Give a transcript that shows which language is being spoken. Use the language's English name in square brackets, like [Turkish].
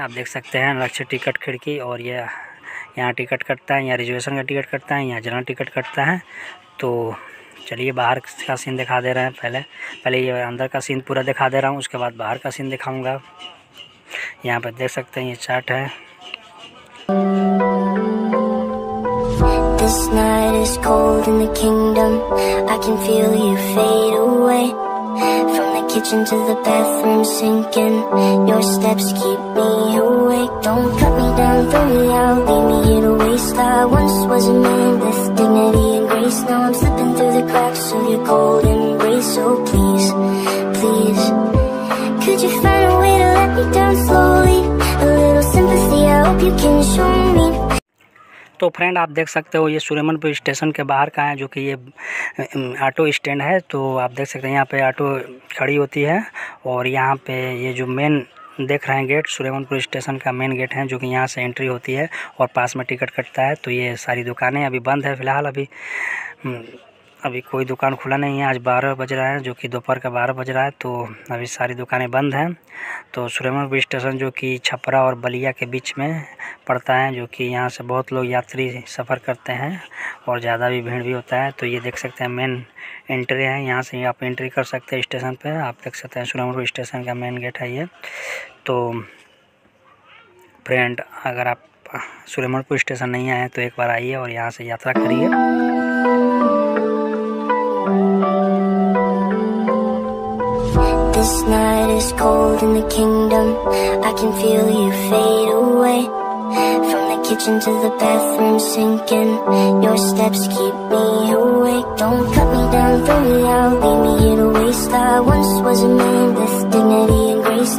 [Hindi] आप देख सकते हैं लक्ष्य टिकट खिड़की, और ये यहाँ टिकट कटता है, यहाँ रिजर्वेशन का टिकट कटता है, यहाँ जनरल टिकट कटता है। तो चलिए बाहर का सीन दिखा दे रहे हैं, पहले ये अंदर का सीन पूरा दिखा दे रहा हूँ, उसके बाद बाहर का सीन दिखाऊंगा। यहाँ पर देख सकते हैं ये चार्ट है। [English] This night is cold in the kingdom, I can feel you fade away. From the kitchen to the bathroom sinking, your steps keep me awake. Don't cut me down, throw me out, leave me here to waste. I once was a man with dignity and grace. Now I'm slipping through the cracks of your cold embrace. Oh please, please, could you find a way to let me down slowly? A little sympathy, I hope you can show me. [Hindi] तो friend आप देख सकते हो ये Suryamanpur station के बाहर का है, जो कि ये ऑटो स्टैंड है। तो आप देख सकते हैं यहाँ पे ऑटो खड़ी होती है, और यहाँ पे ये जो मेन देख रहे हैं गेट, सूर्यमनपुर स्टेशन का मेन गेट है, जो कि यहाँ से एंट्री होती है और पास में टिकट कटता है। तो ये सारी दुकानें अभी बंद है फ़िलहाल, अभी कोई दुकान खुला नहीं है। आज 12 बज रहा है, जो कि दोपहर का 12 बज रहा है, तो अभी सारी दुकानें बंद हैं। तो सूर्यमनपुर स्टेशन जो कि छपरा और बलिया के बीच में पड़ता है, जो कि यहां से बहुत लोग यात्री सफ़र करते हैं, और ज़्यादा भी भीड़ भी होता है। तो ये देख सकते हैं मेन एंट्री है, यहाँ से आप एंट्री कर सकते हैं स्टेशन पर। आप देख सकते हैं सूर्यमनपुर स्टेशन का मेन गेट है ये। तो फ्रेंड अगर आप सूर्यमनपुर स्टेशन नहीं आए तो एक बार आइए और यहाँ से यात्रा करिए। [English] This night is cold in the kingdom, I can feel you fade away. From the kitchen to the bathroom sinking, your steps keep me awake. Don't cut me down, throw me out, leave me here to waste. I once was a man with dignity and grace.